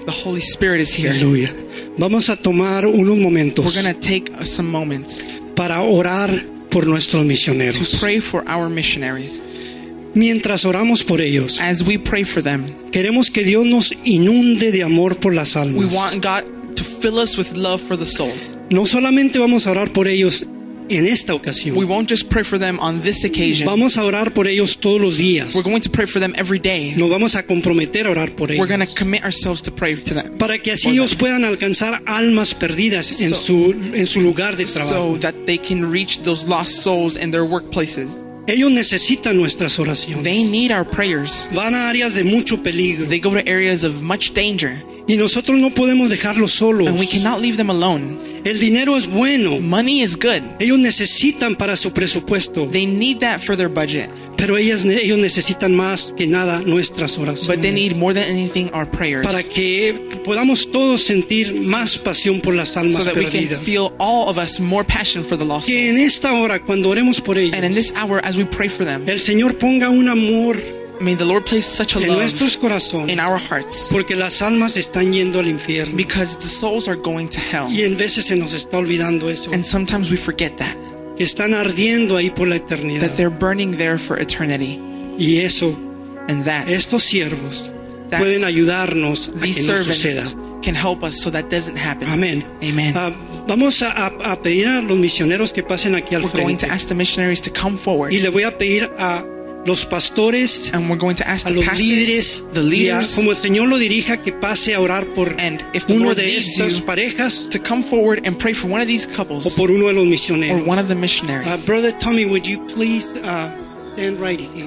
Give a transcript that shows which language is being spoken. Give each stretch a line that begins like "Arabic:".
English: The Holy Spirit is here.
Spanish: Aleluya. Vamos a tomar unos momentos.
English: We're going to take some moments.
Spanish: Para orar por nuestros misioneros.
English: To pray for our missionaries.
Spanish: Mientras oramos por ellos.
English: As we pray for them.
Spanish: Queremos que Dios nos inunde de amor por las almas.
English: We want God to fill us with love for the souls.
Spanish: No solamente vamos a orar por ellos. En esta ocasión.
English: We won't just pray for them on this occasion.
Spanish: Vamos a orar por ellos todos los días.
English: We're going to pray for them every day.
Spanish: Nos vamos a comprometer a orar por ellos.
English: We're going to commit ourselves to pray to them.
Spanish: Para que así ellos puedan alcanzar almas perdidas en su lugar de trabajo.
English: So that they can reach those lost souls in their workplaces.
Spanish: Ellos necesitan nuestras oraciones.
English: They need our prayers.
Spanish: Van a áreas de mucho peligro.
English: They go to areas of much danger.
Spanish: Y nosotros no podemos dejarlos solos.
English: And we cannot leave them alone.
Spanish: El dinero es bueno.
English: Money is good.
Spanish: Ellos necesitan para su presupuesto.
English: They need that for their budget.
Spanish: Pero ellos necesitan más que nada nuestras oraciones.
English: But they need more than anything our prayers.
Spanish: Para que podamos todos sentir más pasión por las almas perdidas.
English: So that we can feel all of us more passion for the lost.
Spanish: Que en esta hora cuando oremos por ellos.
English: And in this hour as we pray for them.
Spanish: El Señor ponga un amor.
English: May the Lord place such a love in our hearts.
Spanish: Porque las almas están yendo al infierno.
English: Because the souls are going to hell.
Spanish: Y en veces se nos está olvidando eso.
English: And sometimes we forget that.
Spanish: Que están ardiendo ahí por la eternidad.
English: That they're burning there for eternity.
Spanish: Y eso,
English: and that
Spanish: estos siervos pueden ayudarnos a que no suceda.
English: These servants can help us so that doesn't happen.
Spanish: Amen.
English: Amen.
Spanish: Vamos a pedir a los misioneros que pasen aquí al frente.
English: We're going to ask the missionaries to come forward.
Spanish: Y le voy a pedir a los pastores,
English: and we're going to ask
Spanish: a los
English: pastors,
Spanish: líderes,
English: the leaders,
Spanish: y a, como el Señor lo dirija, que pase a orar por uno de estas parejas,
English: to come forward and pray for one of these couples,
Spanish: o por uno de los misioneros,
English: or one of the missionaries. Brother Tommy, would you please stand right here?